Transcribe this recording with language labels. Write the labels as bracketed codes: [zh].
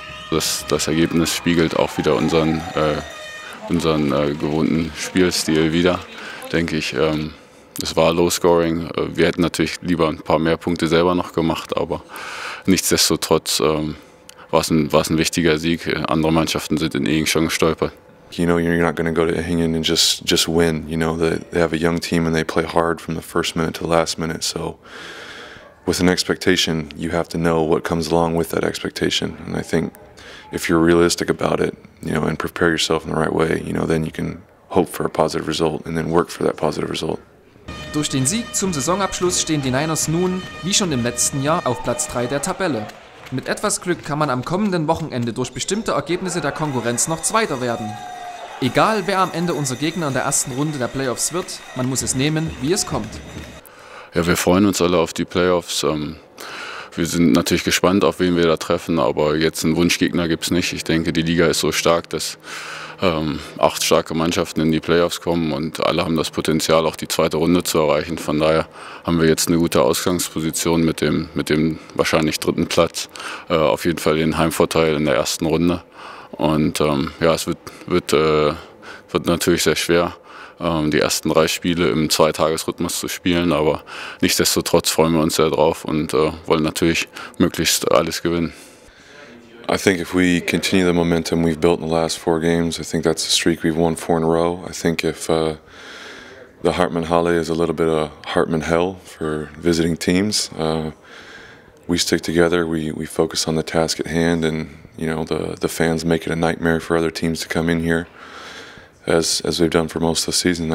[de] Das Ergebnis spiegelt auch wieder unseren gewohnten Spielstil wider, denke ich. Es war Low Scoring. Wir hätten natürlich lieber ein paar mehr Punkte selber noch gemacht, aber nichtsdestotrotz war es ein wichtiger Sieg. Andere Mannschaften sind in Ehingen schon gestolpert. [en] You know, you're not going to go to Ehingen and just win. You know, they have a young team and they play hard from the first minute to the last minute. So with an expectation, you have to know what comes along with that expectation. And I think if you're realistic about it, you know, and prepare yourself in the right way, you know, then you can hope for a positive result and then work for that positive result. [de] Durch den Sieg zum Saisonabschluss stehen die Niners nun, wie schon im letzten Jahr, auf Platz 3 der Tabelle. Mit etwas Glück kann man am kommenden Wochenende durch bestimmte Ergebnisse der Konkurrenz noch Zweiter werden. Egal, wer am Ende unser Gegner in der ersten Runde der Playoffs wird, man muss es nehmen, wie es kommt. Ja, wir freuen uns alle auf die Playoffs. Wir sind natürlich gespannt, auf wen wir da treffen, aber jetzt einen Wunschgegner gibt es nicht. Ich denke, die Liga ist so stark, dass 8 starke Mannschaften in die Playoffs kommen und alle haben das Potenzial, auch die zweite Runde zu erreichen. Von daher haben wir jetzt eine gute Ausgangsposition mit dem wahrscheinlich dritten Platz. Auf jeden Fall den Heimvorteil in der ersten Runde. Und es wird natürlich sehr schwer, die ersten 3 Spiele im Zweitagesrhythmus zu spielen. Aber nichtsdestotrotz freuen wir uns sehr drauf und wollen natürlich möglichst alles gewinnen. [en] I think if we continue the momentum we've built in the last 4 games, I think that's a streak. We've won 4 in a row. I think if the Hartmannhalle is a little bit of Hartmann hell for visiting teams, we stick together, we focus on the task at hand, and you know, the fans make it a nightmare for other teams to come in here, as we've done for most of the season.